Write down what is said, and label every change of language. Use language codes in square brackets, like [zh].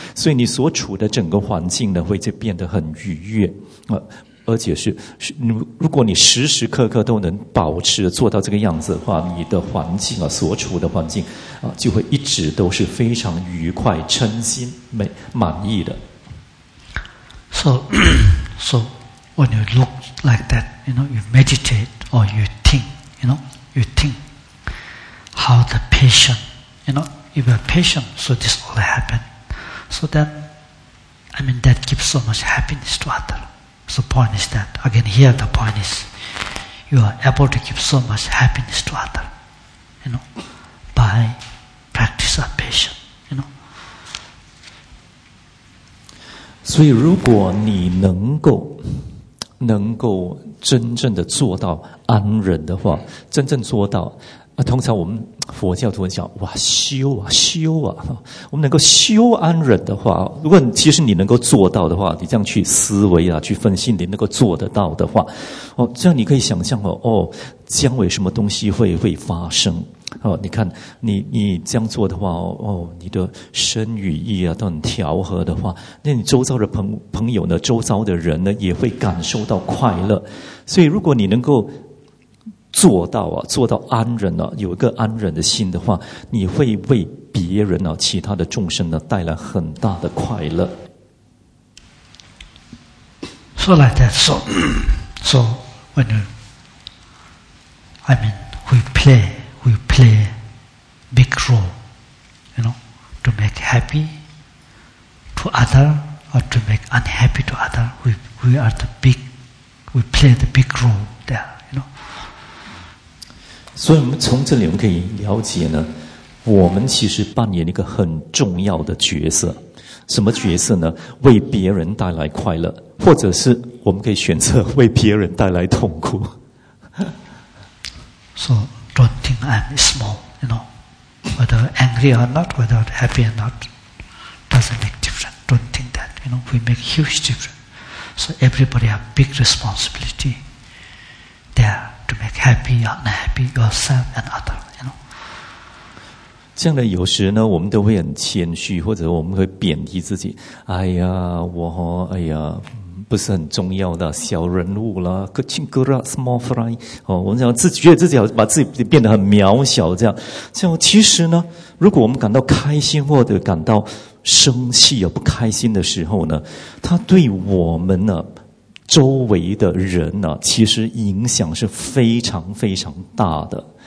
[zh] 所以你所处的整个环境呢，会就变得很愉悦啊。而且是，如果你时时刻刻都能保持做到这个样子的话，你的环境啊，所处的环境啊，就会一直都是非常愉快、称心、满意的。 [en] So when you look like that, you know, you meditate or you think, you know, you think how the patient, you know, if you're patient, so this will happen. So then, I mean, that gives so much happiness to others. So point is that, again here the point is, you are able to give so much happiness to others, you know, by practice of patience, you know. [zh] 所以如果你能够真正的做到安忍的话，真正做到通常我们佛教徒讲哇修啊修啊，我们能够修安忍的话，如果其实你能够做到的话，你这样去思维啊，去分析，你能够做得到的话，哦，这样你可以想象哦，将来什么东西会发生？哦，你看你这样做的话，哦，你的身与意啊都很调和的话，那你周遭的朋友呢，周遭的人呢也会感受到快乐。所以如果你能够做到啊，做到安忍啊，有一个安忍的心的话，你会为别人啊，其他的众生呢，带来很大的快乐。 [en] So like that, so when you, I mean, we play big role, you know, to make happy to other or to make unhappy to other. We are the big, we play the big role there, you know. [zh] 所以我们从这里我们可以了解呢，我们其实扮演一个很重要的角色。什么角色呢？为别人带来快乐，或者是我们可以选择为别人带来痛苦。 [en] So don't think I'm small, you know. Whether angry or not, whether happy or not, doesn't make difference. Don't think that, you know. We make huge difference. So everybody have big responsibility there to make happy or unhappy yourself and other, you know. [zh] 这样的有时呢，我们都会很谦虚，或者我们会贬低自己。哎呀，我哎呀，不是很重要的小人物啦 ， [en] kingura small fry。 [zh] 哦，我们讲自己觉得自己要把自己变得很渺小，这样。这样其实呢，如果我们感到开心或者感到生气而不开心的时候呢，它对我们呢周围的人呢，其实影响是非常非常大的。